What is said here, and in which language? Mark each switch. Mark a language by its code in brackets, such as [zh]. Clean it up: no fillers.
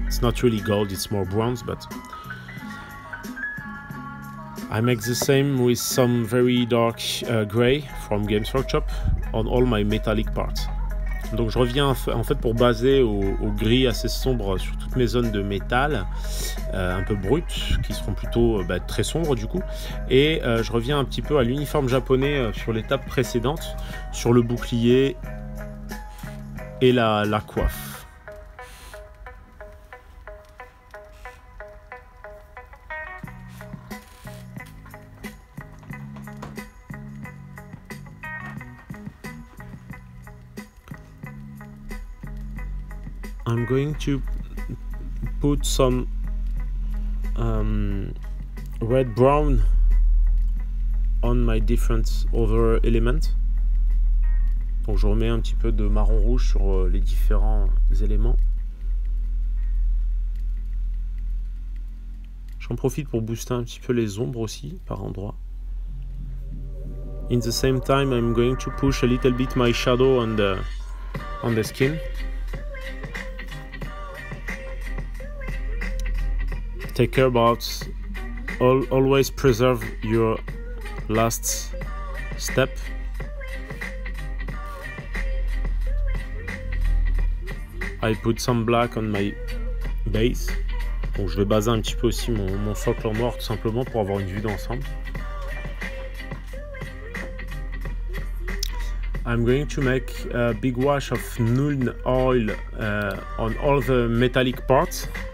[en] It's not really gold, it's more bronze, but I make the same with some very dark gray from Games Workshop on all my metallic parts. [fr] Donc je reviens en fait pour baser au gris assez sombre sur toutes mes zones de métal un peu brut qui seront plutôt très sombres du coup, et je reviens un petit peu à l'uniforme japonais sur l'étape précédente sur le bouclier et la coiffe. [en] I'm going to put some red brown on my different other elements. [fr] Donc je remets un petit peu de marron rouge sur les différents éléments. J'en profite pour booster un petit peu les ombres aussi par endroits. [en] In the same time, I'm going to push a little bit my shadow on the skin. Take care about always preserve your last step. I put some black on my base. [fr] Donc je vais baser un petit peu aussi mon socle en noir tout simplement pour avoir une vue d'ensemble. [en] I'm going to make a big wash of Nuln oil on all the metallic parts.